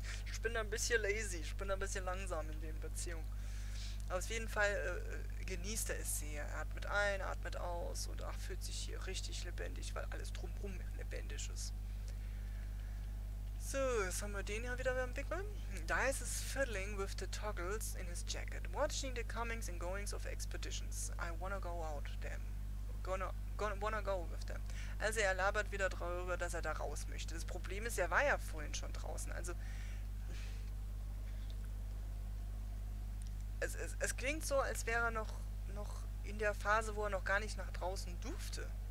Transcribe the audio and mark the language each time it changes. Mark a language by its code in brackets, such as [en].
[de] Ich bin ein bisschen lazy, ich bin ein bisschen langsam in den Beziehungen. Auf jeden Fall genießt er es sehr. Er atmet ein, atmet aus und ach, fühlt sich hier richtig lebendig, weil alles drumherum lebendig ist. So, jetzt haben wir den hier wieder am Wickel. [en] Dice is fiddling with the toggles in his jacket, watching the comings and goings of expeditions. I wanna go out, them. Wanna go with them. [de] Also er labert wieder darüber, dass er da raus möchte. Das Problem ist, er war ja vorhin schon draußen. Also es klingt so, als wäre er noch in der Phase, wo er noch gar nicht nach draußen durfte.